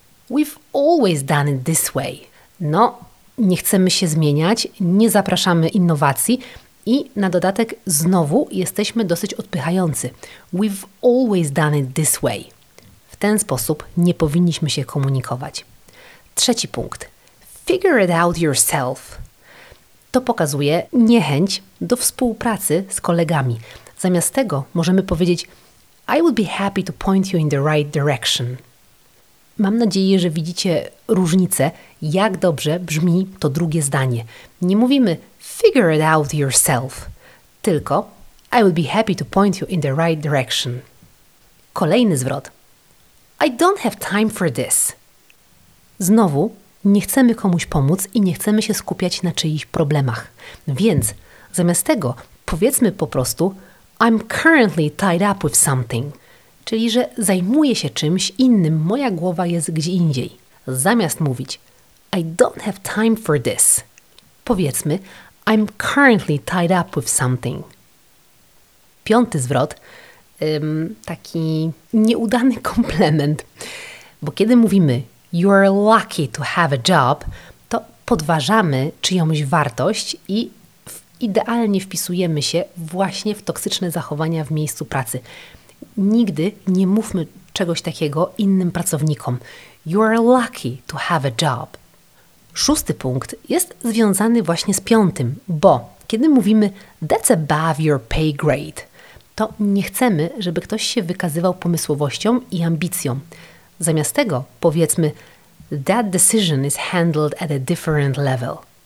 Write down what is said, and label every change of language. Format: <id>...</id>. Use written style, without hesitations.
<en>"We've always done it this way".</en> <pl>No, nie chcemy się zmieniać, nie zapraszamy innowacji i na dodatek znowu jesteśmy dosyć odpychający.</pl> <en>"We've always done it this way".</en> <pl>W ten sposób nie powinniśmy się komunikować. Trzeci punkt.</pl> <en>"Figure it out yourself".</en> <pl>To pokazuje niechęć do współpracy z kolegami. Zamiast tego możemy powiedzieć</pl> <en>"I would be happy to point you in the right direction".</en> <pl>Mam nadzieję, że widzicie różnicę, jak dobrze brzmi to drugie zdanie. Nie mówimy</pl> <en>"figure it out yourself",</en> <pl>tylko</pl> <en>"I would be happy to point you in the right direction".</en> <pl>Kolejny zwrot.</pl> <en>"I don't have time for this".</en> <pl>Znowu nie chcemy komuś pomóc i nie chcemy się skupiać na czyichś problemach. Więc zamiast tego powiedzmy po prostu</pl> <en>"I'm currently tied up with something",</en> <pl>czyli że zajmuję się czymś innym, moja głowa jest gdzie indziej. Zamiast mówić</pl> <en>"I don't have time for this",</en> <pl>powiedzmy</pl> <en>"I'm currently tied up with something".</en> <pl>Piąty zwrot, taki nieudany komplement, bo kiedy mówimy</pl> <en>"You are lucky to have a job",</en> <pl>to podważamy czyjąś wartość i idealnie wpisujemy się właśnie w toksyczne zachowania w miejscu pracy. Nigdy nie mówmy czegoś takiego innym pracownikom.</pl> <en>"You are lucky to have a job".</en> <pl>Szósty punkt jest związany właśnie z piątym, bo kiedy mówimy</pl> <en>"That's above your pay grade",</en> <pl>to nie chcemy, żeby ktoś się wykazywał pomysłowością i ambicją. Zamiast tego powiedzmy</pl> <en>"That decision is handled at a different level".</en>